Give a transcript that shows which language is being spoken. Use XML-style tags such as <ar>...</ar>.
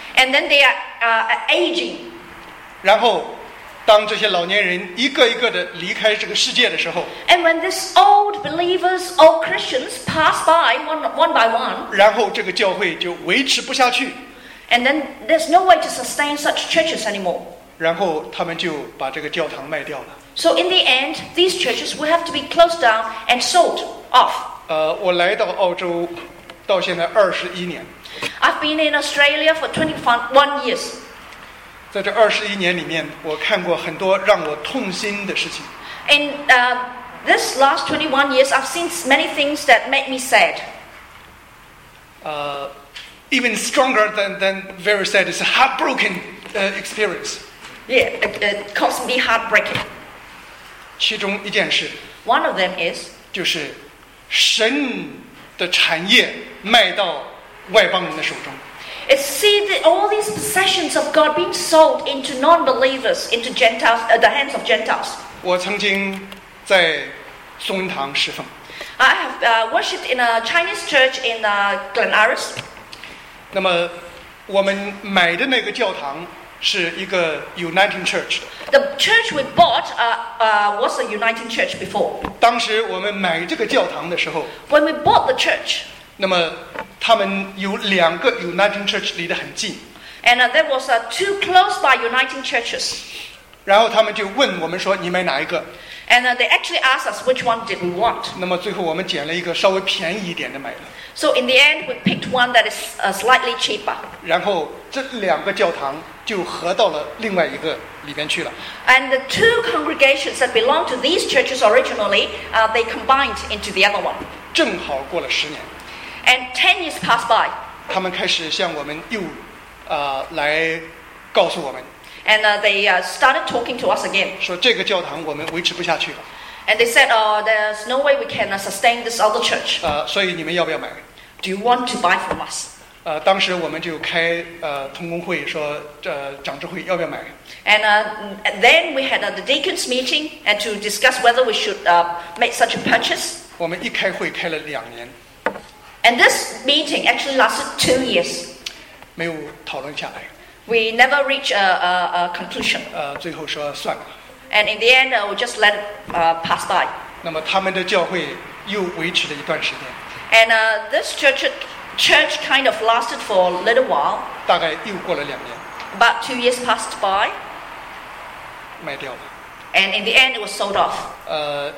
<en>And then they are aging.</en> <zh>然后当这些老年人一个一个的离开这个世界的时候</zh> <en>and when these old believers, old Christians pass by one by one,</en> <zh>然后这个教会就维持不下去</zh> <en>and then there's no way to sustain such churches anymore.</en> <zh>然后他们就把这个教堂卖掉了</zh> <en>So in the end, these churches will have to be closed down and sold off.</en> <zh>我来到澳洲到现在21年</zh> <en>I've been in Australia for 21 years.</en> <zh>在这21年里面，我看过很多让我痛心的事情。</zh> <en>In this last 21 years, I've seen many things that made me sad. Even stronger than very sad is a heartbroken experience. Yeah, it caused me heartbreaking.</en> <zh>其中一件事。</zh> <en>One of them is.</en> <zh>就是神的产业卖到外邦人的手中。</zh> <en>It's see that all these possessions of God being sold into non-believers, into Gentiles, the hands of Gentiles.</en> <zh>我曾经在松恩堂侍奉。</zh> <en>I have worshipped in a Chinese church in Glen Iris.</en> <zh>那么我们买的那个教堂是一个 Uniting Church 的。</zh> <en>The church we bought was a Uniting Church before.</en> <zh>当时我们买这个教堂的时候。</zh> <en>When we bought the church.</en> <zh>那么他们有两个 Uniting Church 离得很近</zh> <en>and there was two close by Uniting Churches</en> <zh>然后他们就问我们说你买哪一个</zh> <en>and they actually asked us which one did we want</en> <zh>那么最后我们捡了一个稍微便宜一点的买了</zh> <en>so in the end we picked one that is slightly cheaper</en> <zh>然后这两个教堂就合到了另外一个里边去了</zh> <en>and the two congregations that belonged to these churches originally they combined into the other one</en> <zh>正好过了十年</zh> <en>And 10 years passed by.</en> <zh>他们开始向我们又，来告诉我们。</zh> <en>And they started talking to us again.</en> <zh>说这个教堂我们维持不下去了。</zh> <en>And they said, "Oh, there's no way we can sustain this other church."</en> <zh>所以你们要不要买</zh> <en>？Do you want to buy from us?</en> <zh>当时我们就开同工会说，长执会要不要买</zh> <en>？And then we had the deacons meeting and to discuss whether we should make such a purchase.</en> <zh>我们一开会开了2年。</zh> <en>And this meeting actually lasted 2 years.</en> <zh>没有讨论下来。</zh> <en>We never reached a conclusion.</en> <zh>最后说算了。</zh> <en>And in the end, we just let it pass by.</en> <zh>那么他们的教会又维持了一段时间。</zh> <en>And this church kind of lasted for a little while.</en> <zh>大概又过了2年。</zh> <en>About 2 years passed by.</en> <zh>卖掉了。</zh> <en>And in the end, it was sold off.</en>